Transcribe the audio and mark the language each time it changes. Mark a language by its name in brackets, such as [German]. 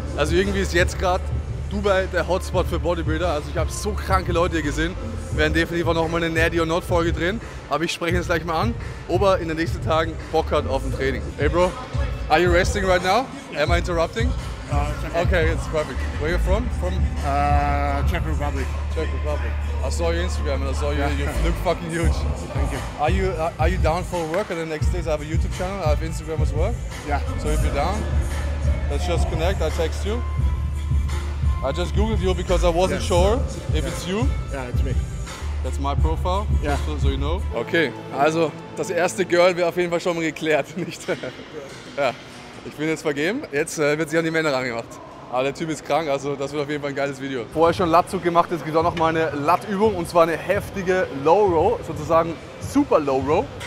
[German] Also irgendwie ist jetzt gerade Dubai der Hotspot für Bodybuilder. Also ich habe so kranke Leute hier gesehen. Wir werden definitiv auch nochmal eine Nerdy or Not Folge drehen. Aber ich spreche jetzt gleich mal an, ob er in den nächsten Tagen Bock hat auf ein Training. [English] Hey Bro, are you resting right now? Am I interrupting? Okay, it's perfect. Where are you from? From Czech Republic. Czech Republic. I saw your Instagram and I saw you. Yeah. You look fucking huge. Thank you. Are you down for work? And the next days I have a YouTube channel. I have Instagram as well. Yeah. So if you're down, let's just connect. I text you. I just googled you because I wasn't sure if it's you. Yeah, it's me. That's my profile. Yeah. So you know. Okay. [German] Also das erste Girl wäre auf jeden Fall schon mal geklärt, nicht? Ja. Ich bin jetzt vergeben, jetzt wird sich an die Männer rangemacht. Aber der Typ ist krank, also das wird auf jeden Fall ein geiles Video. Vorher schon Latzug gemacht, jetzt gibt es auch noch mal eine Lat-Übung und zwar eine heftige Low-Row, sozusagen super Low-Row.